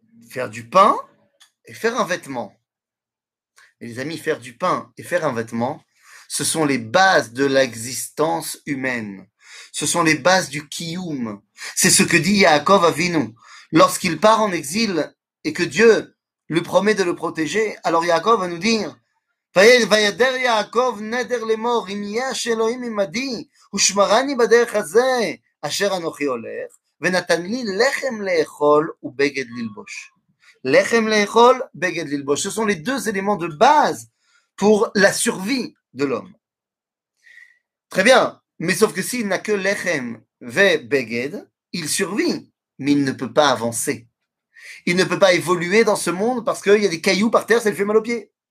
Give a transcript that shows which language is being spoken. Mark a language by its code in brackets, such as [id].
[fr] Faire du pain et faire un vêtement. Et les amis, faire du pain et faire un vêtement, ce sont les bases de l'existence humaine. Ce sont les bases du kiyoum. C'est ce que dit Yaakov Avinu. Lorsqu'il part en exil et que Dieu lui promet de le protéger, alors Yaakov va nous dire [he] וידר יעקב נדר למור, אם יש אלוהים ממדי, ושמרני בדרך הזה, אשר אנוכי הולך, ונתן לי לחם לאכול ובגד ללבוש. לחם לאכול, בגד ללבוש. [fr] Ce sont les deux éléments de base pour la survie de l'homme. Très bien, mais sauf que s'il n'a que לחם ובגד, il survit, mais il ne peut pas avancer. Il ne peut pas évoluer dans ce monde parce qu'il y a des cailloux par terre, ça lui fait mal aux pieds.